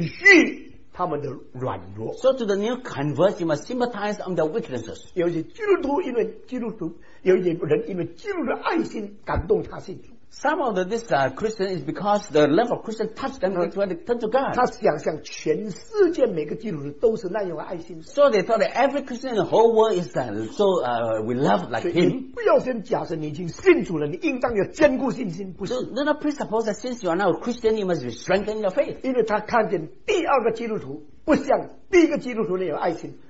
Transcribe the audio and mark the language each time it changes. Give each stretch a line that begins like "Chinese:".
Chinese: 所以我们就对初信的人体恤他们的软弱。
English: So to the new converts, you must sympathize on their weaknesses.
Chinese: 有些基督徒因为基督徒, 有些人因为基督的爱心, 感动他信主。
English: Some of these Christians is because the love of Christian touched them, that's why they turn to God.
Chinese: 他想像全世界每个基督徒都是那样的爱心。
English: So they thought that every Christian in the whole world is we love like him.
Chinese: 不要先假设你已经信主了，你应当要坚固信心。
English: No, not presuppose that since you are now a Christian, you must strengthen your faith.
Chinese: 因为他看见第二个基督徒不像第一个基督徒那样爱心。